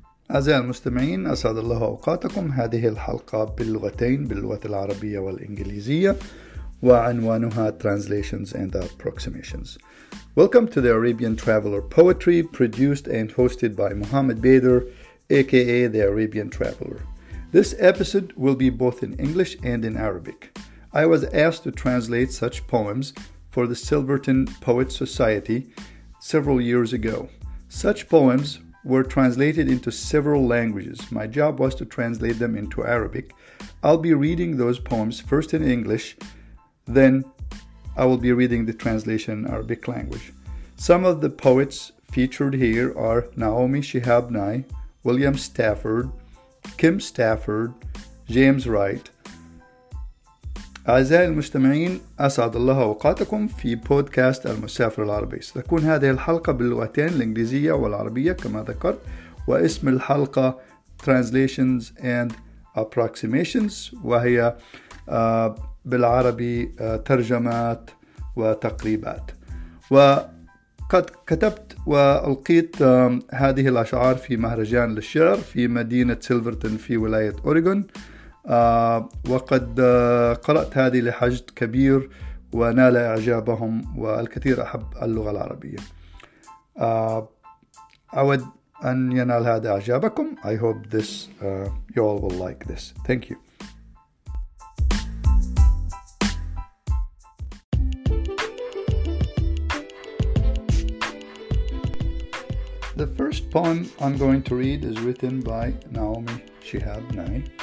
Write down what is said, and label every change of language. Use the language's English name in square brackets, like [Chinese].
[Arabic] أعزائي المستمعين، أسعد الله أوقاتكم. هذه الحلقة باللغتين، باللغة العربية والإنجليزية، وعنوانها Translations and Approximations. [English] Welcome to the Arabian Traveler Poetry, produced and hosted by Mohammed Bader, aka the Arabian Traveler. This episode will be both in English and in Arabic. I was asked to translate such poems for the Silverton Poet Society several years ago. Such poems were translated into several languages. My job was to translate them into Arabic. I'll be reading those poems first in English, then I will be reading the translation in Arabic language. Some of the poets featured here are Naomi Shihab Nye, William Stafford, Kim Stafford, James Wright. [Arabic] أعزائي المستمعين، أسعد الله أوقاتكم في بودكاست المسافر العربي. ستكون هذه الحلقة باللغتين الإنجليزية والعربية كما ذكرت، واسم الحلقة Translations and Approximations، وهي بالعربي ترجمات وتقريبات. وقد كتبت وألقيت هذه الأشعار في مهرجان للشعر في مدينة سيلفرتون في ولاية أوريغون، وقد قرأت هذه لحشد كبير ونال إعجابهم، والكثير أحب اللغة العربية. أود أن ينال هذا إعجابكم. [English] I hope this you all will like this. Thank you. The first poem I'm going to read is written by Naomi Shihab Nye.